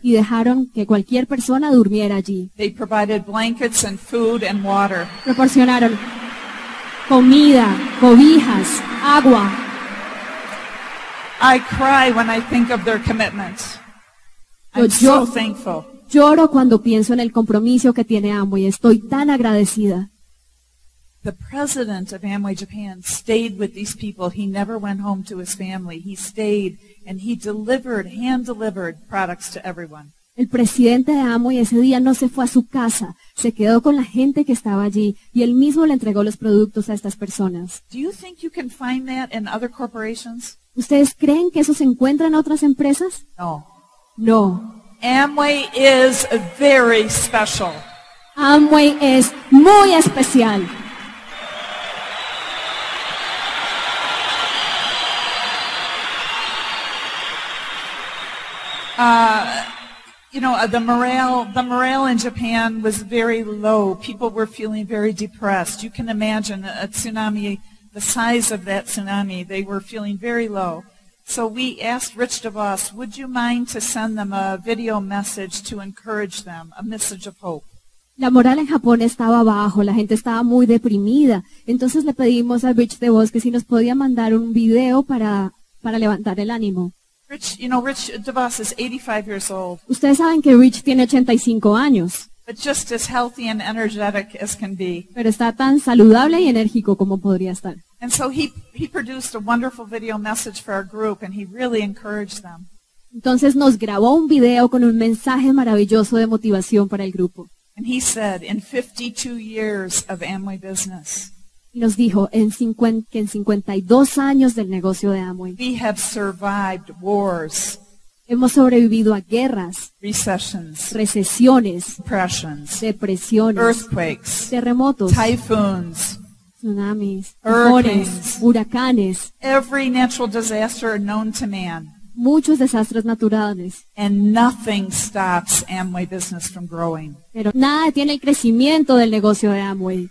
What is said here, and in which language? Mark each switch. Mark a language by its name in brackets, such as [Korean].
[Spanish] Y dejaron que cualquier persona durmiera allí. [English] They provided blankets and food and water. [Spanish] Proporcionaron comida, cobijas, agua. [English] I cry when I think of their commitment. I'm so thankful. [Spanish] Lloro cuando pienso en el compromiso que tiene Amway. Estoy tan agradecida. [English] The president of Amway Japan stayed with these people. He never went home to his family. He stayed and he delivered, hand-delivered products to everyone. [Spanish] El presidente de Amway ese día no se fue a su casa. Se quedó con la gente que estaba allí y él mismo le entregó los productos a estas personas. [English] Do you think you can find that in other corporations? [Spanish] ¿Ustedes creen que eso se encuentra en otras empresas? [English] No. [Spanish] No. [English] Amway is very special. [Spanish] Amway es muy especial. [English] The morale in Japan was very low. People were feeling very depressed. You can imagine a tsunami, the size of that tsunami, they were feeling very low. So we asked Rich DeVos, would you mind to send them a video message to encourage them, a message of hope? [Spanish] La moral en Japón estaba bajo, la gente estaba muy deprimida. Entonces le pedimos a Rich DeVos que si nos podía mandar un video para levantar el ánimo. [English] Rich, you know, Rich DeVos is 85 years old. [Spanish] Ustedes saben que Rich tiene 85 años. [English] But just as healthy and energetic as can be. [Spanish] Pero está tan saludable y enérgico como podría estar. [English] And so he produced a wonderful video message for our group, and he really encouraged them. [Spanish] Entonces nos grabó un video con un mensaje maravilloso de motivación para el grupo. [English] And he said, in 52 years of Amway business. [Spanish] Y nos dijo en 52 años del negocio de Amway. [English] We have survived wars. [Spanish] Hemos sobrevivido a guerras, [English] recessions, [Spanish] recesiones, [English] depressions, [Spanish] depresiones, [English] earthquakes, [Spanish] terremotos, [English] typhoons, tsunamis, hurricanes, [Spanish] huracanes, [English] every natural disaster known to man, [Spanish] muchos desastres naturales, [English] and nothing stops Amway business from growing. [Spanish] Pero nada tiene el crecimiento del negocio de Amway.